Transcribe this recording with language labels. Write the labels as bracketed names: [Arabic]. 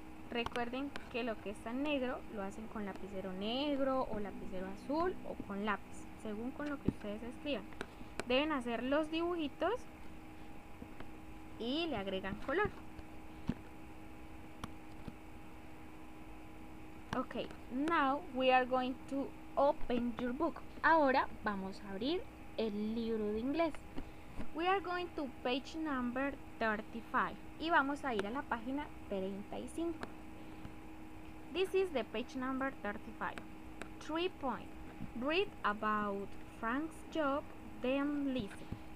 [Spanish] Recuerden que lo que está en negro lo hacen con lapicero negro o lapicero azul o con lápiz, según con lo que ustedes escriban. Deben hacer los dibujitos y le agregan color. [English] Ok, now we are going to open your book. [Spanish] Ahora vamos a abrir el libro de inglés. [English] We are going to page number 35. [Spanish] Y vamos a ir a la página 35. [English] This is the page number 35. 3 points. Read about Frank's job, then listen.